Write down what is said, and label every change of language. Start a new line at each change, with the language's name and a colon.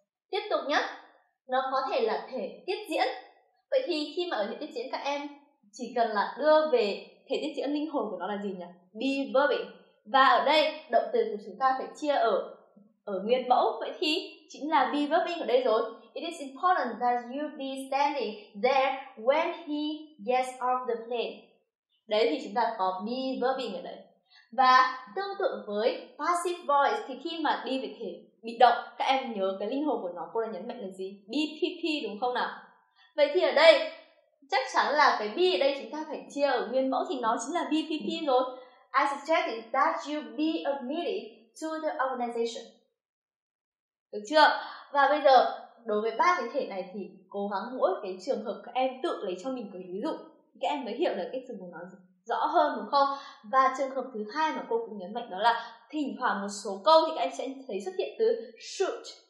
Vietnamese: Tiếp tục nhé, nó có thể là thể tiết diễn. Vậy thì khi mà ở thể tiết diễn, các em chỉ cần là đưa về thể tiết diễn linh hồn của nó là gì nhỉ? Be verbing. Và ở đây động từ của chúng ta phải chia ở nguyên mẫu, vậy thì chính là be verbing ở đây rồi.
English: It is important that you be standing there when he gets off the plane.
Vietnamese: Đấy, thì chúng ta có be verbing ở đây. Và tương tự với passive voice, thì khi mà đi về thể bị động, các em nhớ cái linh hồn của nó, cô đã nhấn mạnh là gì? Be PP, đúng không nào? Vậy thì ở đây chắc chắn là cái be ở đây chúng ta phải chia ở nguyên mẫu, thì nó chính là be PP rồi.
English: I suggest that you be admitted to the organization.
Vietnamese: Được chưa? Và bây giờ đối với ba cái thể này thì cố gắng mỗi cái trường hợp các em tự lấy cho mình cái ví dụ, các em mới hiểu được cái từ của nó rõ hơn, đúng không? Và trường hợp thứ hai mà cô cũng nhấn mạnh đó là thỉnh thoảng một số câu thì các em sẽ thấy xuất hiện từ should.